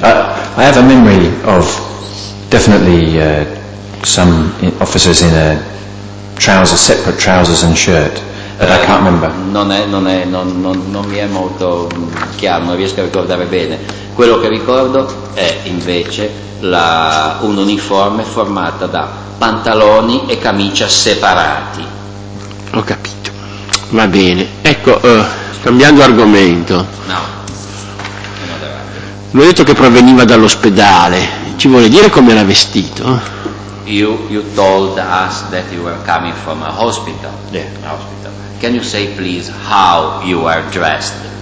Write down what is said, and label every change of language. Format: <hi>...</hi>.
<en>I have a memory of definitely some officers in a trouser, separate trousers and shirt, but I can't remember.</en> <it>Non mi è molto chiaro, non riesco a ricordare bene. Quello che ricordo è invece un uniforme formata da pantaloni e camicia separati. Ho capito, va bene. Ecco, cambiando argomento. No. Mi ha detto che proveniva dall'ospedale, ci vuole dire come era vestito?</it> <en>You told us that you were coming from a hospital. Yeah. Hospital. Can you say, please, how you are dressed?</en>